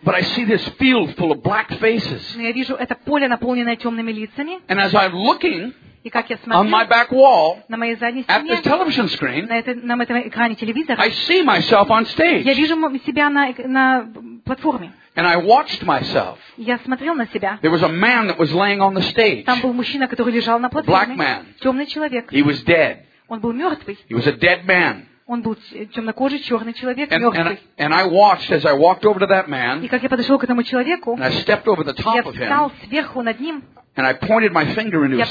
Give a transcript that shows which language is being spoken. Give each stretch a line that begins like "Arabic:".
English: But I see this field full of black faces.
Russian: Но я вижу это поле, наполненное темными лицами.
English: And as I'm looking.
Russian: И как я смотрю
English: on my back wall,
Russian: на моей задней стене,
English: at the television screen,
Russian: на этом экране телевизора,
English: I see myself on stage.
Russian: Я вижу себя на платформе.
English: And I watched myself.
Russian: Я смотрел на себя.
English: There was a man that was laying on the stage.
Russian: Там был мужчина, который лежал на платформе.
English: Black man.
Russian: Темный человек.
English: He was dead.
Russian: Он был мертвый.
English: He was a dead man.
Russian: Он был темнокожий, черный человек, мертвый. И как я подошел к этому человеку,
English: and I stepped over the top
Russian: я встал сверху над ним,
English: and I pointed my finger in his chest.